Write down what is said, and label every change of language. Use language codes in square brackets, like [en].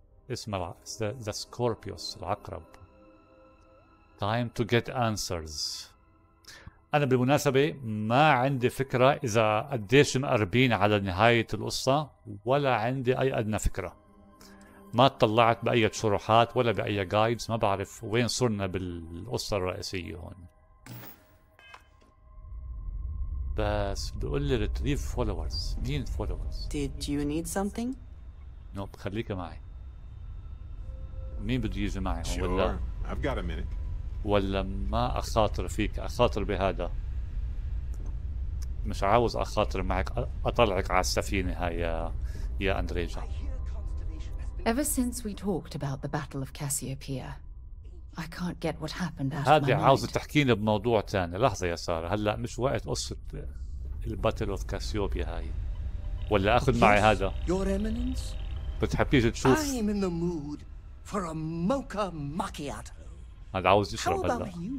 [en] اسمه the Scorpius, العقرب. Time to get answers. [ar] أنا بالمناسبة ما عندي فكرة إذا قديش مقربين على نهاية القصة، ولا عندي أي أدنى فكرة. ما اطلعت بأي شروحات ولا بأي جايدز، ما بعرف وين صرنا بالقصة الرئيسية هون. بس بقول لي ريتريف فولورز. مين فولورز؟ [en] Did you need something? [ar] نوب، خليك معي. مين بده يجي معي؟ [en] Sure. [ar] ولا [en] I've got a minute. [ar] ولا ما أخاطر فيك، أخاطر بهذا. مش عاوز أخاطر معك، أطلعك على السفينة هاي يا أندريجا. [en] Ever since we talked about the Battle of Cassiopeia, I can't get what happened out of my mind. [ar] هذه عاوز تحكيني بموضوع تاني. لحظة يا سارة، هلا مش وقت قصة الباتل اوف كاسيوبيا هاي، ولا أخذ معي هذا. [en] Your Eminence. [ar] بتحبيش تشوف؟ [en] I'm in the mood for a mocha macchiato. [ar] هذا عاوز يشرب هلا.